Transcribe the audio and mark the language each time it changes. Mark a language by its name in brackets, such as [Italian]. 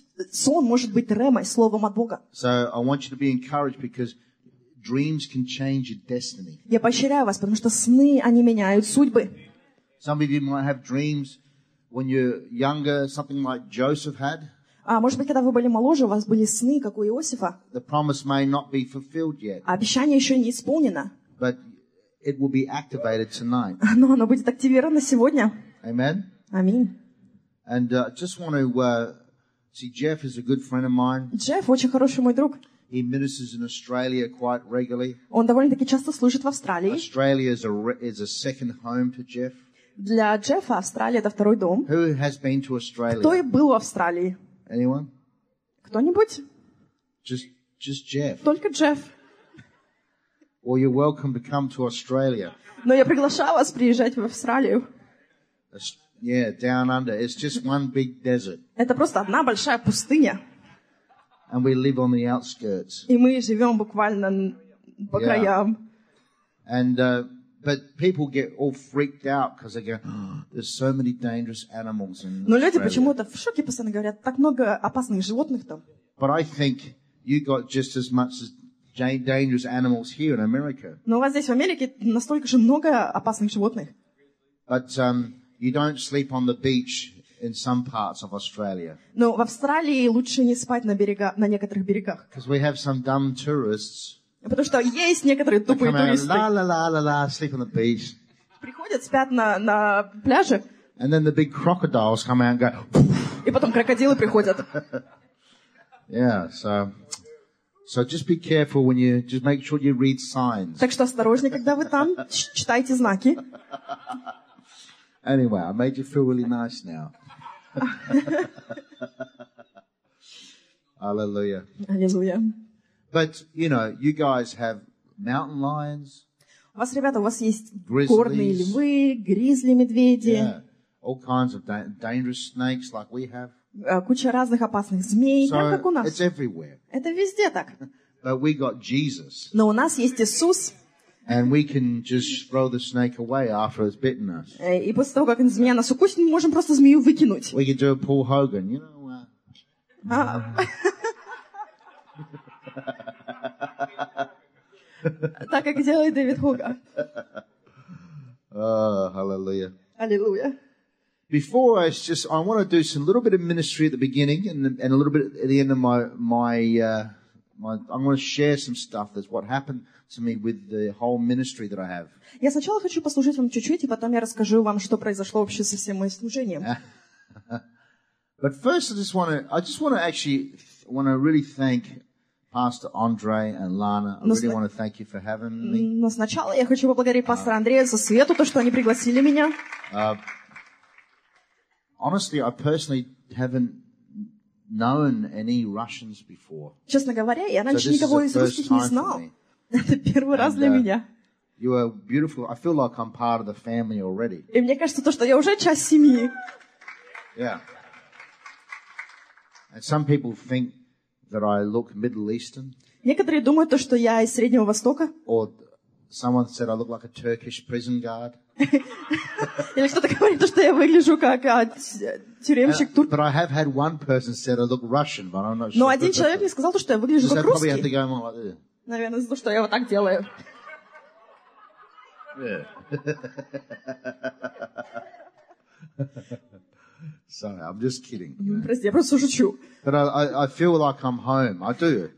[Russian] Сон может быть ремой, словом от Бога. [English] So I want you to be encouraged because Dreams can change your destiny. [Russian] Я поощряю вас, потому что сны, они меняют судьбы. [English] Some of you might have dreams when you're younger, something like Joseph had. [Russian] А может быть, когда вы были моложе, у вас были сны, как у Иосифа. [English] The promise may not be fulfilled yet. [Russian] Обещание еще не исполнено. [English] But it will be activated tonight. [Russian] Но оно будет активировано сегодня. [English] Amen. [Russian] Аминь. [English] And I just want to see Jeff is a good friend of mine. [Russian] Джефф очень хороший мой друг. [English] He ministers in Australia quite regularly. [Russian] Он довольно-таки часто служит в Австралии. [English] Australia is a second home to Jeff. [Russian] Для Джеффа Австралия — это второй дом. [English] Who has been to Australia? [Russian] Кто был в Австралии? [English] Anyone? [Russian] Кто-нибудь? [English] Just Jeff. [Russian] Только Джефф. [English] Well, you're welcome to come to Australia. [Russian] Но я приглашаю вас приезжать в Австралию. [English] Yeah, down under. It's just one big desert. [Russian] Это просто одна большая пустыня. [English] And we live on the outskirts. [Russian] И мы живем буквально по краям. [English] And but people get all freaked out because they go, oh, there's so many dangerous animals in Australia. [Russian] Но люди почему-то в шоке постоянно говорят, так много опасных животных там. [English] But I think you got just as much as dangerous animals here in America. [Russian] Но у вас здесь в Америке настолько же много опасных животных. [English] But you don't sleep on the beach in some parts of Australia. [Russian] Но в Австралии лучше не спать на некоторых берегах. [English] Because we have some dumb tourists. [Russian] Потому что есть некоторые тупые туристы. [English] La-la-la-la-la, sleep on the beach. [Russian] Приходят, спят на пляже. [English] And then the big crocodiles come out and go. [Russian] И потом крокодилы приходят. [English] Yeah, so just be careful when you just make sure you read signs. [Russian] Так что осторожнее, когда вы там, читайте знаки. [English] Anyway, I made you feel really nice now. Hallelujah. Hallelujah. But, you know, you guys have mountain lions. [Russian] У вас, ребята, у вас есть горные львы, гризли, медведи. [English] Yeah. All kinds of dangerous snakes like we have. [Russian] Куча разных опасных змей, [English] so [Russian] прям как у нас. [English] It's everywhere. [Russian] Это везде так. [English] But we got Jesus. [Russian] Но у нас есть Иисус. [English] And we can just throw the snake away after it's bitten us. [Russian] И после того, как змея нас укусит, мы можем просто змею выкинуть. [English] We can do a Paul Hogan, you know. [Russian] Так, как делает Дэвид Хоган. [English] Hallelujah. Hallelujah. Before I want to do some little bit of ministry at the beginning and a little bit at the end of my I'm going to share some stuff that's what happened to me with the whole ministry that I have. [Russian] Я сначала хочу послужить вам чуть-чуть, и потом я расскажу вам, что произошло вообще со всем моим служением. [English] But first I just want to really thank Pastor Andre and Lana. I really want to thank you for having me. [Russian] Но сначала я хочу поблагодарить пастора Андрея за Свету, то, что они пригласили меня. [English] Honestly, I personally haven't known any Russians before. [Russian] Честно говоря, я раньше никого из русских не знал. Это первый раз для меня. [English] You are beautiful. I feel like I'm part of the family already. [Russian] И мне кажется, то, что я уже часть семьи. [English] Yeah. And some people think that I look Middle Eastern. [Russian] Некоторые думают то, что я из Среднего Востока. [English] Or someone said I look like a Turkish prison guard. [Russian] Или кто-то говорит, что я выгляжу как тюремщик турк. [English] But I have had one person said I look Russian, but I'm not sure. [Russian] Но один человек мне сказал, что я выгляжу как русский. [English] Probably have to go like this. [Russian] Наверное, из-за того, что я вот так делаю. [English] Sorry, I'm just kidding. [Russian] Прости, я просто шучу. [English] But I feel like I'm home. I do.